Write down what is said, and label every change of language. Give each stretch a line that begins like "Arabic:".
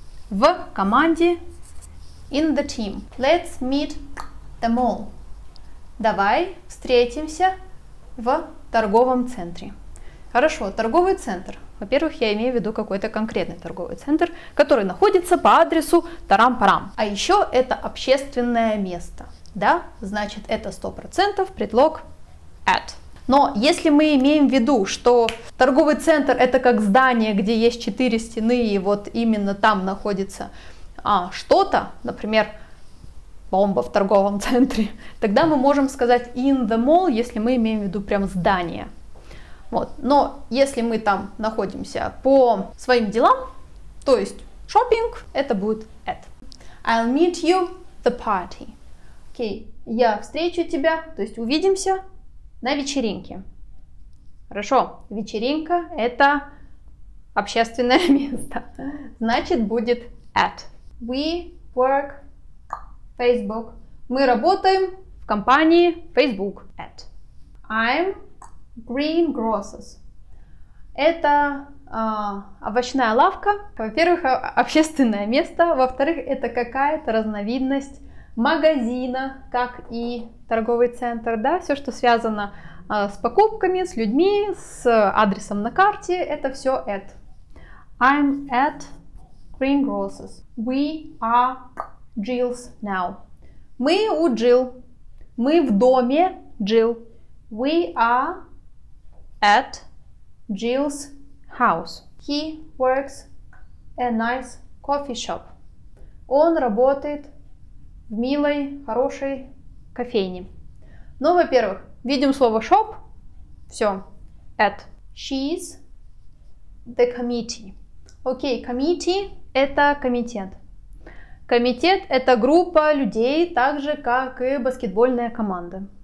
Russian: В команде
English: — in the team. Let's meet them all.
Russian: Давай встретимся в торговом центре. Хорошо, торговый центр. Во-первых, я имею в виду какой-то конкретный торговый центр, который находится по адресу тарам-парам. А еще это общественное место. Да, значит, это 100% предлог at. Но если мы имеем в виду, что торговый центр это как здание, где есть 4 стены, и вот именно там находится что-то, например, бомба в торговом центре, тогда мы можем сказать
English: in the mall,
Russian: если мы имеем в виду прям здание. Вот. Но если мы там находимся по своим делам, то есть шопинг, это будет at.
English: I'll meet you at the party.
Russian: Окей, я встречу тебя, то есть увидимся на вечеринке. Хорошо, вечеринка — это общественное место. Значит, будет at.
English: We work Facebook.
Russian: Мы работаем в компании Facebook.
English: At. I'm green grocers.
Russian: Это овощная лавка. Во-первых, общественное место. Во-вторых, это какая-то разновидность магазина, как и торговый центр, да, все, что связано с покупками, с людьми, с адресом на карте, это все at.
English: I'm at Greengrocers. We are Jill's now.
Russian: Мы у Jill. Мы в доме Jill.
English: We are at Jill's house. He works a nice coffee shop.
Russian: Он работает в милой, хорошей кофейне. Ну, во-первых, видим слово shop, все, at.
English: She's the committee.
Russian: Окей, committee — это комитет. Комитет — это группа людей, так же, как и баскетбольная команда.